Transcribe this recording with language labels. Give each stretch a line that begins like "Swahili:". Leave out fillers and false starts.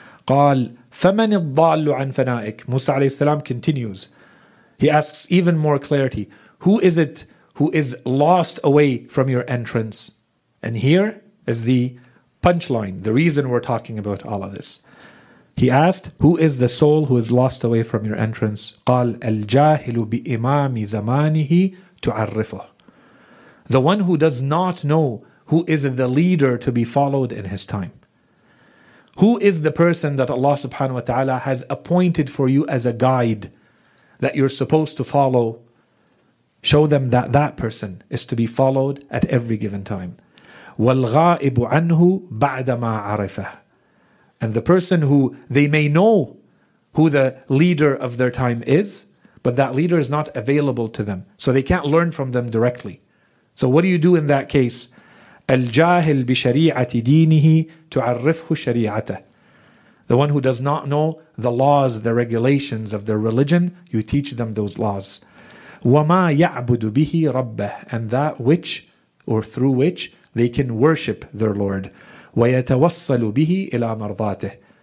Arabic: قال فمن الضال عن فنائك. Musa عليه السلام
English: continues. He asks even more clarity. Who is it who is lost away from your entrance? And here is the punchline, the reason we're talking about all of this. He asked, who is the soul who is lost away from your entrance?
Arabic: قال الجاهل بإمام زمانه تعرفه.
English: The one who does not know who is the leader to be followed in his time. Who is the person that Allah subhanahu wa ta'ala has appointed for you as a guide that you're supposed to follow? Show them that that person is to be followed at every given time.
Arabic: وَالْغَائِبُ عَنْهُ بَعْدَمَا عَرِفَهُ.
English: And the person who they may know who the leader of their time is, but that leader is not available to them. So they can't learn from them directly. So what do you do in that case?
Arabic: الجاهل بشريعة دينه تعرفه شريعته.
English: The one who does not know the laws, the regulations of their religion, you teach them those laws.
Arabic: وما يعبد به ربه.
English: And that which or through which they can worship their Lord.
Arabic: ويتوصل به إلى مرضاته.